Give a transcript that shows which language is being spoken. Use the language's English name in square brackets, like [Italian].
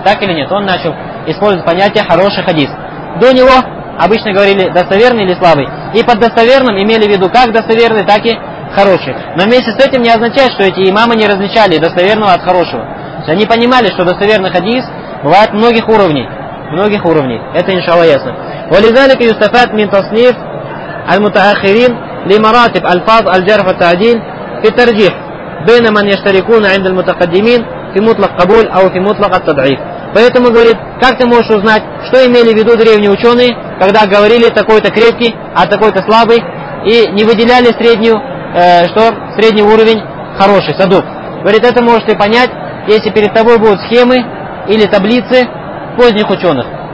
[Russian] Так или нет, он начал использовать понятие хороший хадис. До него обычно говорили достоверный или слабый. И под достоверным имели в виду как достоверный, так и хороший. Но вместе с этим не означает, что эти имамы не различали достоверного от хорошего. То есть они понимали, что достоверный хадис бывает многих уровней. Многих уровней. Это иншаллах ясно. [Arabic] وَلِذَلِكَ يُسْتَفَادُ مِنْ تَصْنِيفِ الْمُتَأَخِّرِينَ لِمَرَاتِبِ أَلْفَاظِ الْجَرْحِ وَالتَّعْدِيلِ في الترجيح بين من يشتركون عند المتقدمين في مطلق قبول أو في مطلق التضعيف. [Russian] Поэтому говорит, как ты можешь узнать, что имели в виду древние ученые, когда говорили такой-то крепкий, а такой-то слабый, и не выделяли средний уровень хороший, садук. Говорит, это можешь ты понять, если перед тобой будут схемы или таблицы поздних ученых.